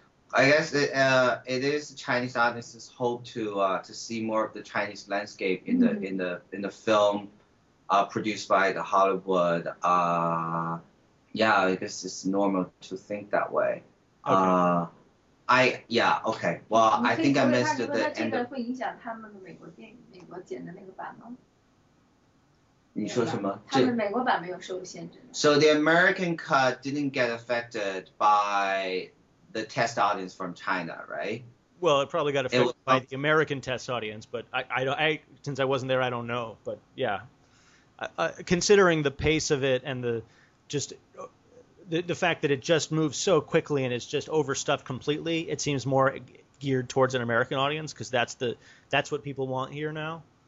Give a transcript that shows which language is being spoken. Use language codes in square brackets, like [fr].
[en] I guess it is Chinese artists' hope to see more of the Chinese landscape in the in the film, produced by the Hollywood. Yeah, I guess it's normal to think that way. Okay. Okay. Well, I think I missed the end. Of... [zh] 你说什么？这美国版没有受限制。 [en] So the American cut didn't get affected by the test audience from China, right? Well, it probably got affected by the American test audience, but since I wasn't there, I don't know. But yeah, considering the pace of it and the fact that it just moves so quickly and it's just overstuffed completely, it seems more geared towards an American audience because that's what people want here now.